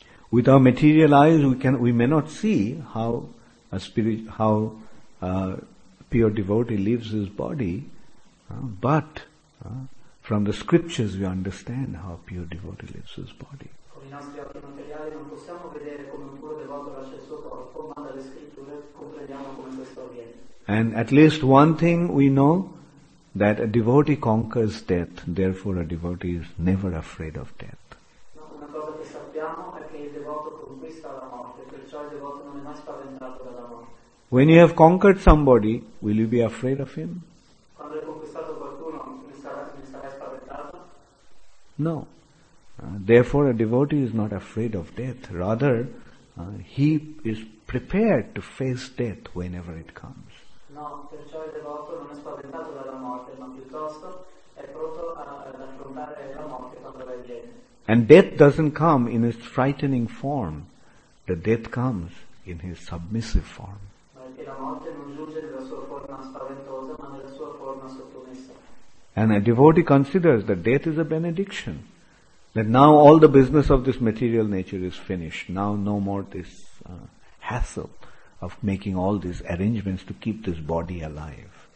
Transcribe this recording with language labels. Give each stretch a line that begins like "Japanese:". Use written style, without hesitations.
English: With our material eyes, we may not see how a pure devotee leaves his body, but from the scriptures we understand how a pure devotee leaves his body.
Italian: I nostri occhi materiali non non possiamo vedere come un cuore devoto lascia il suo corpo, ma dalle scritture comprendiamo come questo avviene.
English: And at least one thing we know, that a devotee conquers death, therefore a devotee is never afraid of death.
Italian: Una cosa che sappiamo è che il devoto conquista la morte, perciò il devoto non è mai spaventato dalla morte.
English: When you have conquered somebody, will you be afraid of him?
Italian: Quando hai conquistato qualcuno, mi sarai spaventato?
English: No. Therefore a devotee is not afraid of death, rather he is prepared to face death whenever it comes.
Italian: No, perciò il devoto non è spaventato dalla morte, ma piuttosto è pronto ad affrontare la morte quando la viene.
English: And death doesn't come in its frightening form, the death comes in his submissive form.
Italian: Perché la morte non giunge nella sua forma spaventosa, ma nella sua forma sottomessa.
English: And a devotee considers that death is a benediction. That now all the business of this material nature is finished. Now no more this hassle of making all these arrangements to keep this body alive.